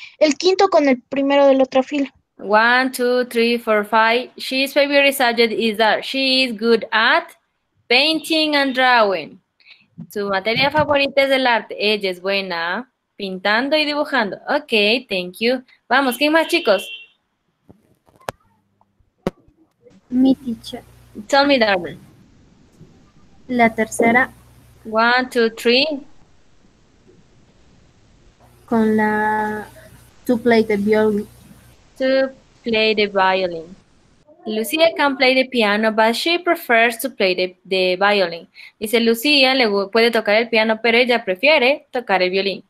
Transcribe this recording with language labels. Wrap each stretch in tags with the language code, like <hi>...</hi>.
<es>El quinto con el primero de la otra fila. 1, 2, 3, 4, 5.</es> <en>She's favorite subject is that she is good at painting and drawing.</en> <es>Su materia favorita es el arte. Ella es buena pintando y dibujando.</es> <en>Ok, thank you.</en> <es>Vamos, ¿quién más, chicos? Mi teacher.</es> <en>Tell me, darling.</en> <es>La tercera. 1, 2, 3. Con la...</es> <en>To play the violin. To play the violin. Lucía can play the piano, but she prefers to play the violin.</en> <es>Dice, Lucía le puede tocar el piano, pero ella prefiere tocar el violín.</es>